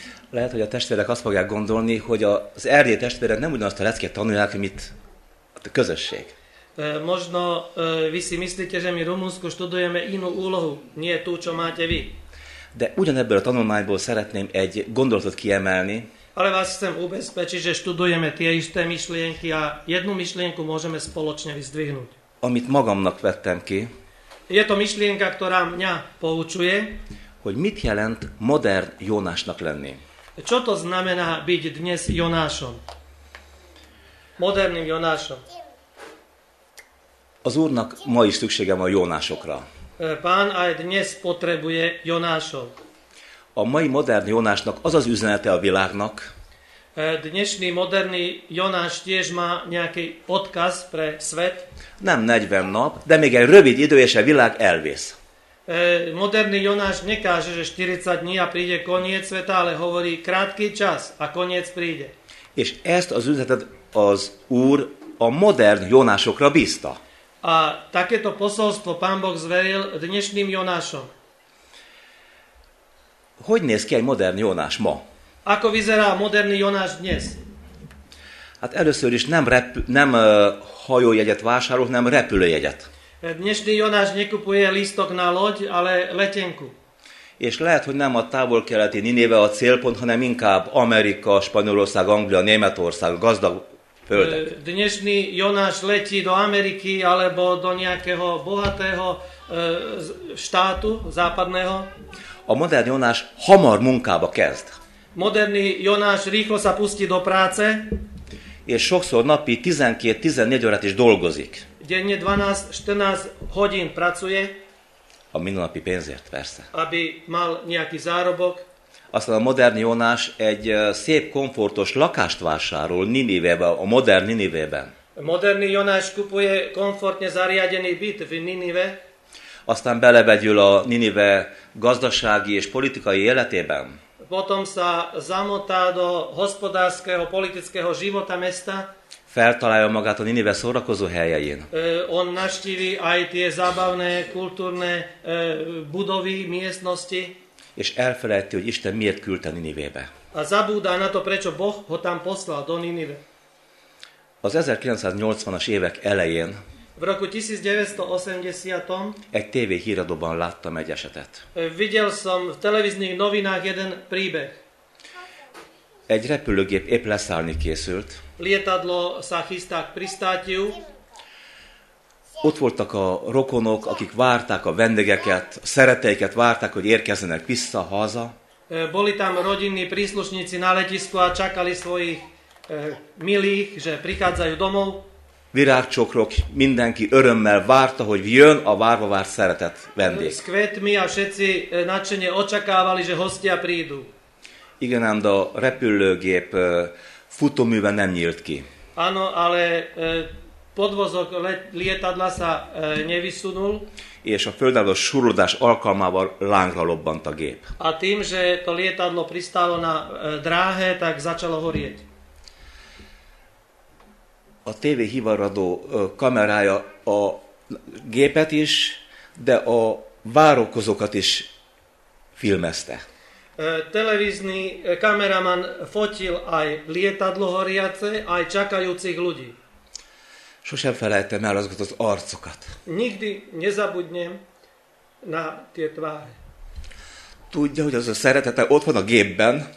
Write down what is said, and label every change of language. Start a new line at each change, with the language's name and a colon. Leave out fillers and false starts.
Hungarian: Lehet, hogy a testvérek azt fogják gondolni, hogy az erdély testvérek nem ugyanazt a leckét tanulják, mint a közösség.
Slovak: Možno vy si myslíte, že mi Rumunsku študujeme inú úlohu, nie tú, čo máte vy.
Hungarian: De ugyanebből a tanulmányból szeretném egy gondolatot kiemelni.
Slovak: Ale vás chcem ubezpečiť, že študujeme tie isté myšlienky a jednu myšlienku môžeme spoločne vyzdvihnúť.
Hungarian: Amit magamnak vettem ki.
Slovak: Je to myšlienka, ktorá mňa poučuje.
Hungarian: Hogy mit jelent modern Jónásnak lenni?
Slovak: Čo to znamená byť dnes Jonášom? Moderným Jonášom.
Hungarian: Az Úrnak ma is szüksége van Jónásokra.
Slovak: Pán aj dnes potrebuje Jonášov.
Hungarian: A mai modern Jónásnak az az üzenete a világnak.
Slovak: Dnešný moderný Jonáš tiež má nejaký odkaz pre svet.
Hungarian: Nem 40 nap, de még egy rövid idő és a világ elvész.
Slovak: Moderný Jonáš nekáže, že 40 dní a príde koniec sveta, ale hovorí krátky čas a koniec príde.
Hungarian: És ezt az üzenetet az Úr a modern Jonášokra bízta.
Slovak: A takéto posolstvo Pán Boh zveril dnešným Jonášom.
Hungarian: Hogy néz ki egy modern Jonáš ma?
Slovak: Ako vyzerá moderný Jonáš dnes?
Hungarian: Hát először is nem hajójegyet vásárol, hanem repülőjegyet.
Slovak: Dnešný Jonáš nekupuje lístok na loď, ale letenku.
Hungarian: És lehet, hogy nem a távol-keleti Ninive a célpont, hanem inkább Amerika, Spanyolország, Anglia, Németország, gazdag földek.
Slovak: Dnešný Jonáš letí do Ameriky alebo do nejakého bohatého štátu západného.
Hungarian: A modern Jonáš hamar munkába kezd.
Slovak: Moderný Jonáš rýchlo sa pustí do práce.
Hungarian: És sokszor napi 12-14 órát is dolgozik.
Slovak: Denne 12-14 hodín pracuje.
Hungarian: A minulnapi pénzért, persze.
Slovak: Aby mal nejaký zárobok.
Hungarian: Aztán a modern Jonáš egy szép, komfortos lakást vásárol Ninivében, a modern Ninivében.
Slovak: Moderný Jonáš kupuje komfortne zariadený byt v Ninive.
Hungarian: Aztán belevegyül a Ninive gazdasági és politikai életében.
Slovak: Potom sa zamotá do hospodárskeho, politického života mesta.
Hungarian: Feltalálja magát a Ninive szórakozó helyein.
Slovak: On navštívi aj tie zábavné, kultúrne budovy, miestnosti.
Hungarian: És elfelejti, hogy Isten miért küldte Ninivébe.
Slovak: A zabúdá na to, prečo Boh ho tam poslal do Ninive.
Hungarian: Az 1980-as évek elején
Slovak: v roku 1980
Hungarian: egy TV híradóban láttam egy esetet.
Slovak: Videl som v televíznych novinách jeden príbeh.
Hungarian: Egy repülőgép épp leszállni készült.
Slovak: Lietadlo sa chystá k pristátiu.
Hungarian: Ott voltak a rokonok, akik várták a vendégeket, a szeretteiket várták, hogy érkezzenek vissza haza.
Slovak: Boli tam rodinní príslušníci na letisku a čakali svojich milých, že prichádzajú domov.
Hungarian: Virágcsokrok, mindenki örömmel várta, hogy jön a várva várt szeretett vendég.
Slovak: S kvetmi a všetci nadšenie očakávali, že hostia prídu.
Hungarian: Igen, ám, de a repülőgép futóműve nem nyílt ki.
Slovak: Áno, ale podvozok lietadla sa nevysunul.
Hungarian: És a földálló surlódás alkalmával lángra lobbant a gép.
Slovak: A tým, že to lietadlo pristálo na dráhe, tak začalo horieť.
Hungarian: A tévé hivaradó kamerája a gépet is, de a várokozókat is filmezte.
Slovak: Televízny kameraman fotil aj lietadlo horiace, aj čakajúcich ľudí.
Hungarian: Sosem felejtem el azokat az arcokat.
Slovak: Nikdy nezabudnem na tie tváre.
Hungarian: Tudja, hogy az a szeretete ott van a gépben.